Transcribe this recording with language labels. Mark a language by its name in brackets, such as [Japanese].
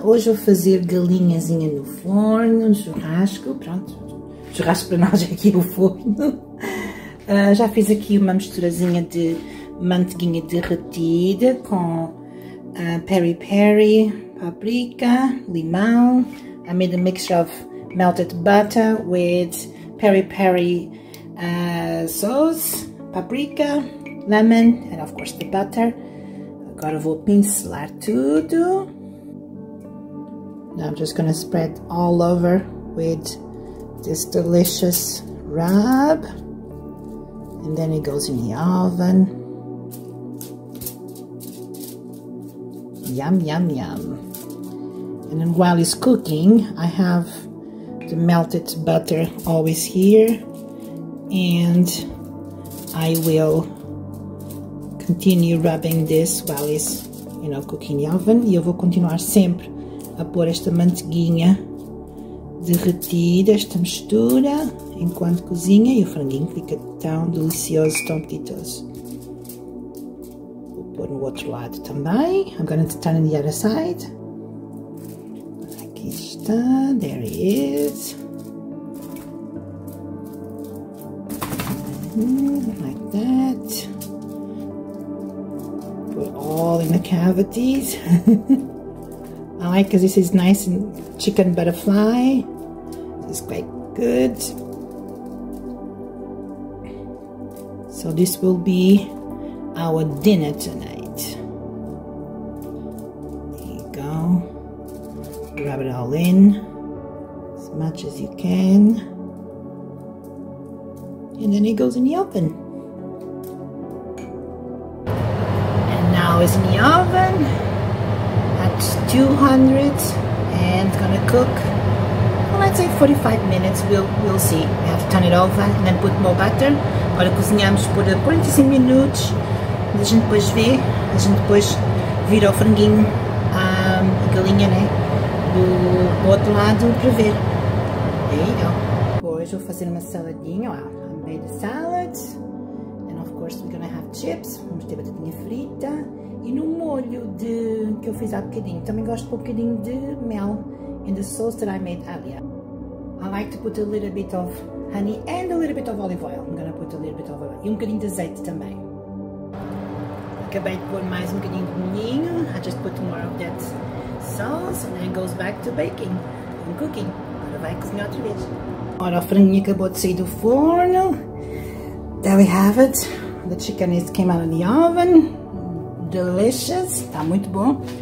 [Portuguese] Hoje vou fazer galinhazinha no forno, um churrasco, pronto. Churrasco para nós é aqui o forno. Já fiz aqui uma misturazinha de manteiguinha derretida com Peri Peri, paprika, limão. [English] I made a mixture of melted butter with Peri Peri sauce, paprika, lemon and of course the butter. [Portuguese] Agora vou pincelar tudo. [English] Now I'm just gonna spread all over with this delicious rub. And then it goes in the oven. Yum, yum, yum. And then while it's cooking, I have the melted butter always here. And I will continue rubbing this while it's, you know, cooking in the oven. [Portuguese] E eu vou continuar sempre a pôr esta manteiguinha derretida, esta mistura, enquanto cozinha. E o franguinho fica tão delicioso, tão apetitoso. Vou pôr no outro lado também. [English] I'm going to turn on the other side. [Portuguese] Aqui está. [English] There he is. Like that. All in the cavities. I like because this is nice and chicken butterfly. This is quite good. So this will be our dinner tonight. There you go. Rub it all in as much as you can. And then it goes in the oven. Is in the oven at 200 and gonna cook, well, let's say 45 minutes. We'll see. We have to turn it over and then put more butter. [Portuguese] Agora cozinhamos por 45 minutos. A gente depois vê, a gente depois vira o franguinho, a galinha, né? Do outro lado para ver. Aí, ó. Depois vou fazer uma saladinha. [English] Wow, I made a salad. And of course, we're gonna have chips. [Portuguese] Vamos ter batatinha frita. E no molho de, que eu fiz há bocadinho, também gosto de pôr um bocadinho de mel [English] in the sauce that I made earlier. I like to put a little bit of honey and a little bit of olive oil. I'm gonna put a little bit of oil. [Portuguese] E um bocadinho de azeite também. Acabei de pôr mais um bocadinho de molhinho. [English] I just put more of that sauce and then goes back to baking and cooking. [Portuguese] Agora vai cozinhar outra vez. Ora, o franguinho acabou de sair do forno. [English] There we have it. The chicken came out of the oven. Delicious, [Portuguese] tá muito bom.